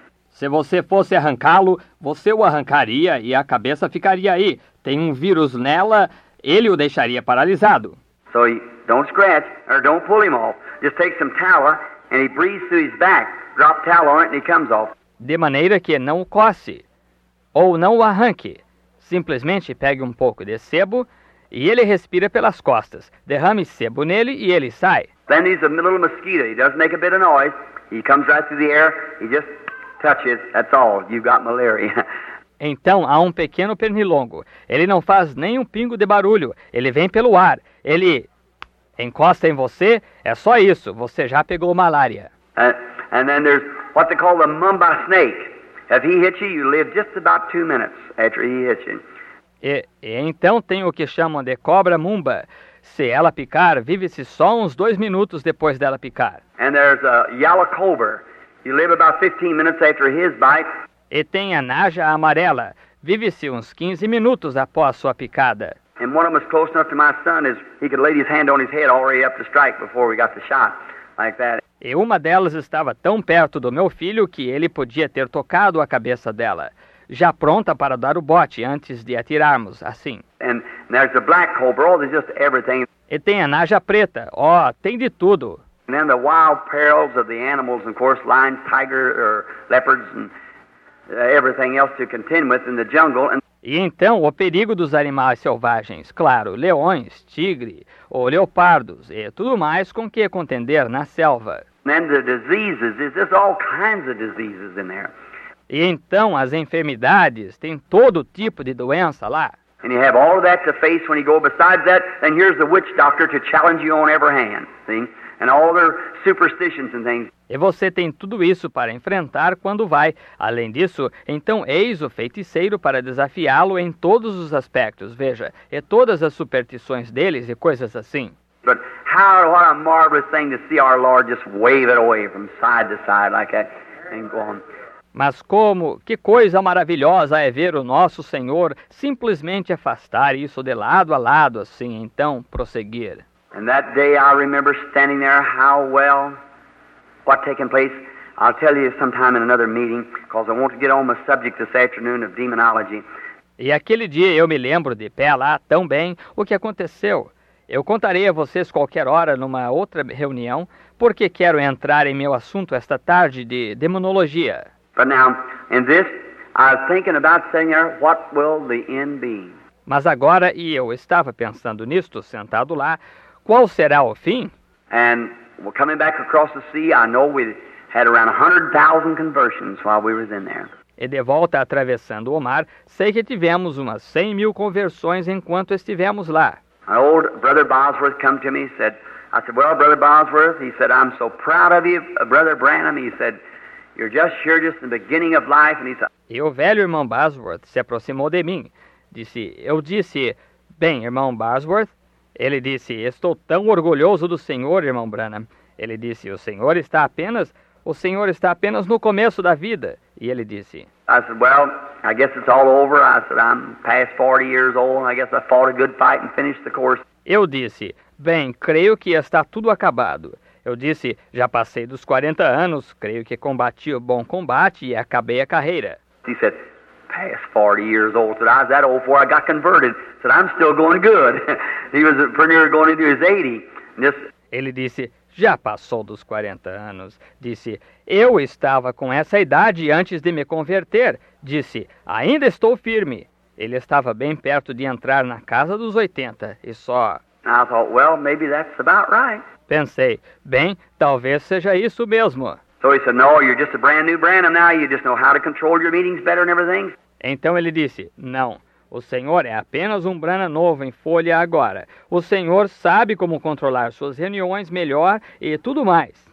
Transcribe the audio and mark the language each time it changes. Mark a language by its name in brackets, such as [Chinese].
[Portuguese] Se você fosse arrancá-lo, você o arrancaria e a cabeça ficaria aí. Tem um vírus nela, ele o deixaria paralisado. [English] So he don't scratch or don't pull him off. Just take some tallow and he breathes through his back. Drop tallow on it and he comes off. [Portuguese] De maneira que não o coce ou não o arranque. Simplesmente pegue um pouco de sebo e ele respira pelas costas. Derrame sebo nele e ele sai. [English] Then he's a little mosquito. He doesn't make a bit of noise. He comes right through the air. He just touches. That's all. You've got malaria. [Portuguese] Então, há um pequeno pernilongo. Ele não faz nem um pingo de barulho. Ele vem pelo ar. Ele encosta em você. É só isso. Você já pegou malária. [English] And then there's what they call the mamba snake. If he hits you, you live just about 2 minutes after he hits you. [Portuguese] E então tem o que chamam de cobra mumba. Se ela picar, vive-se só uns 2 minutos depois dela picar. [English] And there's a yellow cobra. You live about 15 minutes after his bite. [Portuguese] E tem a naja amarela. Vive-se uns 15 minutos após a sua picada. [English] And one of them is close enough to my son is he could lay his hand on his head already up to strike before we got the shot. Like that. [Portuguese] E uma delas estava tão perto do meu filho que ele podia ter tocado a cabeça dela. Já pronta para dar o bote antes de atirarmos, assim. [English] And there's the black cobra, oh, just everything. [Portuguese] E tem a naja preta. Ó, oh, tem de tudo. [English] And then the wild perils of the animals, of course, lions, tigers, or leopards, and everything else to contend with in the jungle. [Portuguese] E então, o perigo dos animais selvagens, claro, leões, tigre, ou leopardos, e tudo mais com que contender na selva. [English] And the diseases, there's all kinds of diseases in there. [Portuguese] E então, as enfermidades, tem todo tipo de doença lá. [English] And you have all of that to face when you go. Besides that, then here's the witch doctor to challenge you on every hand, see? And all their superstitions and things. [Portuguese] E você tem tudo isso para enfrentar quando vai. Além disso, então eis o feiticeiro para desafiá-lo em todos os aspectos, veja, e todas as superstições deles e coisas assim. [English] But how, what a marvelous thing to see our Lord just wave it away from side to side like that and go on. [Portuguese] Mas como, que coisa maravilhosa é ver o nosso Senhor simplesmente afastar isso de lado a lado assim, então prosseguir. [English] And that day I remember standing there how well what taken place. I'll tell you sometime in another meeting because I want to get on the subject this afternoon of demonology. [Portuguese] E aquele dia eu me lembro de pé lá tão bem o que aconteceu. Eu contarei a vocês qualquer hora numa outra reunião porque quero entrar em meu assunto esta tarde de demonologia. [English] But now, in this, I was thinking about saying, what will the end be? [Portuguese] Mas agora, e eu estava pensando nisto, sentado lá, qual será o fim? [English] And we're coming back across the sea, I know we had around 100,000 conversions while we were in there. [Portuguese] E de volta atravessando o mar, sei que tivemos umas 100,000 conversões enquanto estivemos lá. [English] My old brother Bosworth came to me and said, I said, well, brother Bosworth, he said, I'm so proud of you, brother Branham, he said, you're just here, just in the beginning of life. And he said, [Portuguese] e o velho irmão Bosworth se aproximou de mim. Disse, eu disse, bem, irmão Bosworth. Ele disse, estou tão orgulhoso do senhor, irmão Branham. Ele disse, o senhor está apenas no começo da vida. E ele disse, [English] I said, well, I guess it's all over. I said, I'm past 40 years old. And I guess I fought a good fight and finished the course. [Portuguese] Eu disse, bem, creio que está tudo acabado. Eu disse, já passei dos 40 anos, creio que combati o bom combate e acabei a carreira. [English] He said, past 40 years old, said, I was that old before I got converted. Said, I'm still going good. He was pretty near going into his 80. This... [Portuguese] Ele disse, já passou dos 40 anos. Disse, eu estava com essa idade antes de me converter. Disse, ainda estou firme. Ele estava bem perto de entrar na casa dos 80 e só... [English] I thought, well, maybe that's about right. [Portuguese] Pensei, bem, talvez seja isso mesmo. [English] So he said, no, you're just a brand new Branham now. You just know how to control your meetings better and everything. [Portuguese] Então ele disse, não, o senhor é apenas um Branham novo em folha agora. O senhor sabe como controlar suas reuniões melhor e tudo mais.